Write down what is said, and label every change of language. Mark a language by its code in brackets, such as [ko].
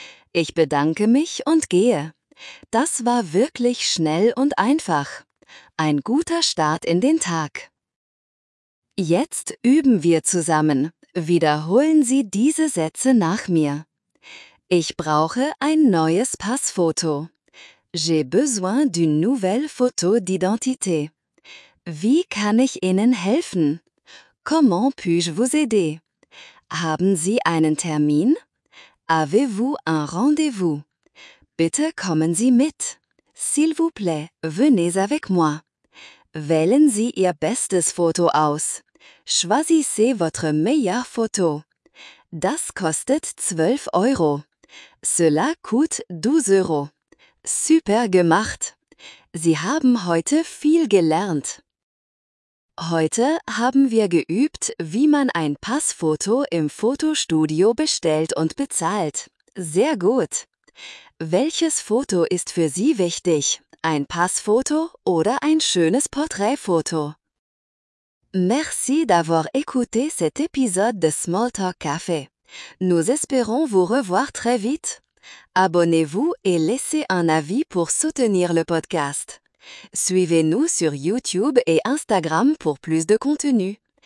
[de] Ich bedanke mich und gehe. Das war wirklich schnell und einfach. Ein guter Start in den Tag. Jetzt üben wir zusammen. Wiederholen Sie diese Sätze nach mir. Ich brauche ein neues Passfoto. [fr] J'ai besoin d'une nouvelle photo d'identité. [de] Wie kann ich Ihnen helfen? [fr] Comment puis-je vous aider? [de] Haben Sie einen Termin? [fr] Avez-vous un rendez-vous? [de] Bitte kommen Sie mit. [fr] S'il vous plaît, venez avec moi. [de] Wählen Sie Ihr bestes Foto aus. [fr] Choisissez votre meilleur photo. [de] Das kostet 12 Euro. [fr] Cela coûte 12 Euro. [de] Super gemacht! Sie haben heute viel gelernt. Heute haben wir geübt, wie man ein Passfoto im Fotostudio bestellt und bezahlt. Sehr gut! Welches Foto ist für Sie wichtig? Ein Passfoto oder ein schönes Porträtfoto? [fr] Merci d'avoir écouté cet épisode de Small Talk Café. Nous espérons vous revoir très vite. Abonnez-vous et laissez un avis pour soutenir le podcast. Suivez-nous sur YouTube et Instagram pour plus de contenu.